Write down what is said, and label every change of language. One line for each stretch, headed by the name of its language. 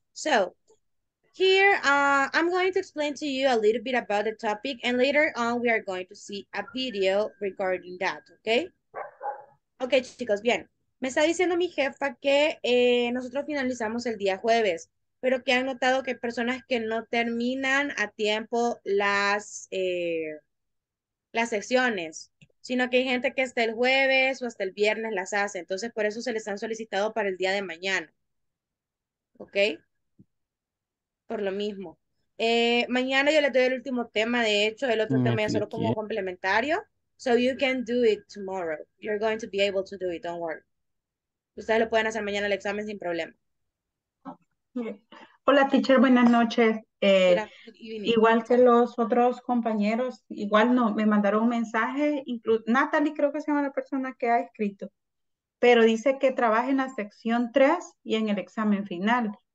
English: So, here I'm going to explain to you a little bit about the topic, and later on we are going to see a video regarding that, okay?
Spanish: Okay, chicos, bien. Me está diciendo mi jefa que nosotros finalizamos el día jueves, pero que han notado que hay personas que no terminan a tiempo las sesiones, sino que hay gente que hasta el jueves o hasta el viernes las hace. Entonces, por eso se les han solicitado para el día de mañana. ¿Ok? Por lo mismo. Mañana yo les doy el último tema. De hecho, el otro tema ya solo como Aquí. complementario.
English: So you can do it tomorrow. You're going to be able to do it. Don't worry.
Spanish: Ustedes lo pueden hacer mañana el examen sin problema. Hola, teacher, buenas noches.
English: Good evening.
Spanish: Igual que los otros compañeros, igual no, me mandaron un mensaje, incluso Natalie creo que se llama la persona que ha escrito, pero dice que trabaje en la sección 3 y en el examen final.